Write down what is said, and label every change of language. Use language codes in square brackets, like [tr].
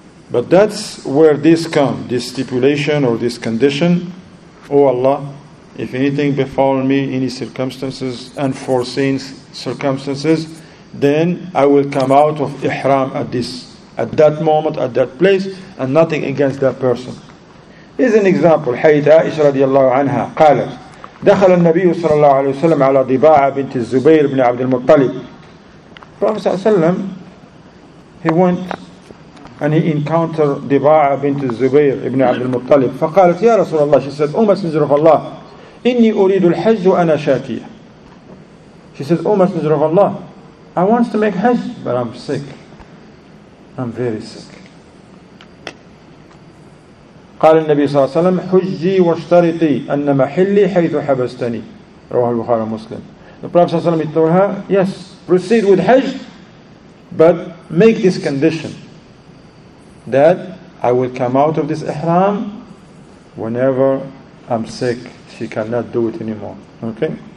[en] But that's where this comes, this stipulation or this condition. Oh Allah, if anything befall me, any circumstances, unforeseen circumstances, then I will come out of Ihram at this, at that moment, at that place, and nothing against that person. Here's an example. [ar] حيث عائشة رضي الله عنها قالت دخل النبي صلى الله عليه وسلم على ضباعة بنت الزبير بن عبد المطلب. [en] Prophet صلى الله عليه وسلم, he went and he encountered ضباعة بنت الزبير بن عبد المطلب. [ar] فقالت يا رسول الله, [en] she said, O Messenger of Allah, [ar] إني أريد الحج وأنا شاكية. [en] She said, O Messenger of Allah, I want to make Hajj, but I'm sick. I'm very sick. [ar] قال النبي صلى الله عليه وسلم حجي واشترطي أن محلي حيث حبستني. رواه البخاري ومسلم. [en] The Prophet صلى الله عليه وسلم told her, yes, proceed with Hajj, but make this condition that I will come out of this Ihram whenever I'm sick. She cannot do it anymore. Okay?